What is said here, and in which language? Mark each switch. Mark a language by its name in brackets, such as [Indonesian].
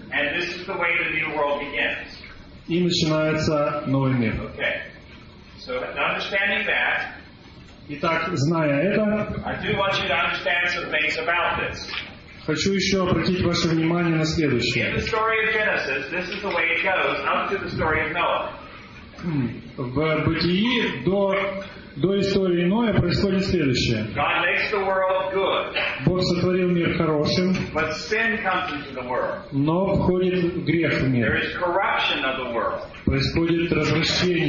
[English] and this is the way the new world begins. [Russian] И начинается новый мир. [English] Okay. So, understanding that, [Russian] итак, зная это, [English] I do want you to understand some things about this. [Russian] Хочу еще обратить ваше внимание на следующее. [English] In the story of Genesis, this is the way it goes up to the story of Noah. [Russian] В Бытии до истории Ноя происходит следующее. [English] God makes the world good. [Russian] Бог сотворил мир хорошим. [English] But sin comes into the world. [Russian] Но входит грех в мир. [English] There is corruption of the world. [Russian] Происходит развращение.